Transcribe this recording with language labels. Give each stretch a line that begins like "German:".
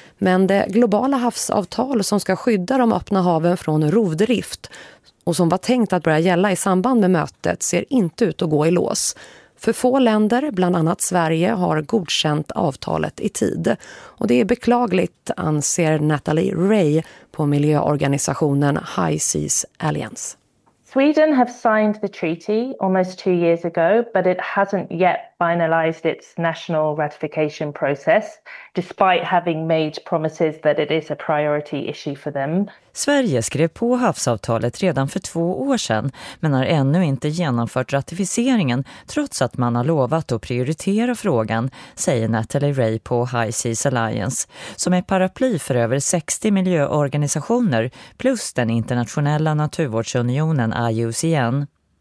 Swedish: Men det globala havsavtal som ska skydda de öppna haven från rovdrift, och som var tänkt att börja gälla i samband med mötet, ser inte ut att gå i lås. För få länder, bland annat Sverige, har godkänt avtalet i tid. Och det är beklagligt, anser Natalie Ray på miljöorganisationen High Seas Alliance.
English: Sweden have signed the treaty almost 2 years ago, but it hasn't yet finalized its national ratification process, despite having made promises that it is a priority issue for them.
Swedish: Sverige skrev på havsavtalet redan för 2 år sedan, men har ännu inte genomfört ratificeringen, trots att man har lovat att prioritera frågan, säger Natalie Ray på High Seas Alliance, som är paraply för över 60 miljöorganisationer plus den internationella naturvårdsunionen IUCN.